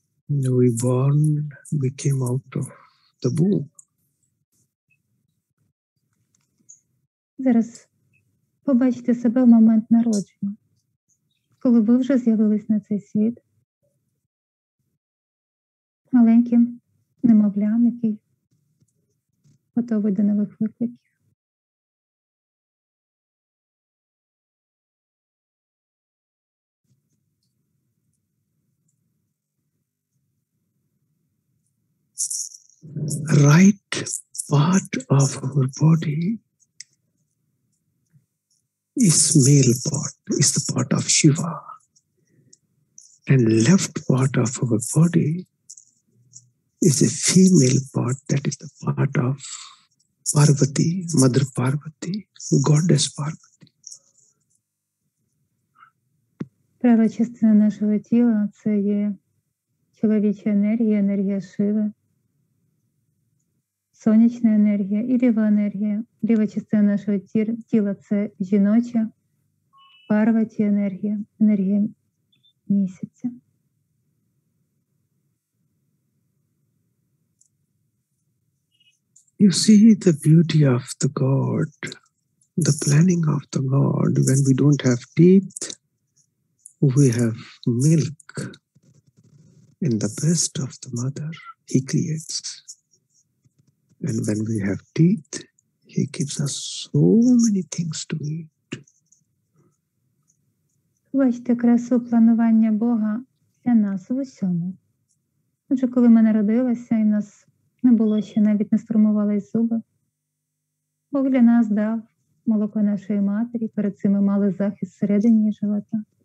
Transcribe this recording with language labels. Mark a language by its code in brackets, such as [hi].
[en] We born, we came out of the womb. [uk] Зараз побачте себе в момент народження, коли ви вже з'явились на цей світ. Маленьким немовлям, який готовий до нових викликів. [en] Right part of our body is male part, is the part of Shiva, and left part of our body is the female part, that is the part of Parvati, Mother Parvati, Goddess Parvati. [uk] Права частина нашого тіла – це є чоловіча енергія, енергія Шиви. Сонячна енергія і ліва енергія. Ліва частина нашого тіла – це жіноча, Парваті енергія, енергія місяця. [en] You see the beauty of the God, the planning of the God. When we don't have teeth, we have milk in the breast of the mother he creates. And when we have teeth, he gives us so many things to eat. [uk] Бачите красу планування Бога для нас в усьому. Отже, коли ми народилися і нас не було ще, навіть не сформувались зуби, Бог для нас дав молоко нашої матері, перед цим ми мали захист всередині живота.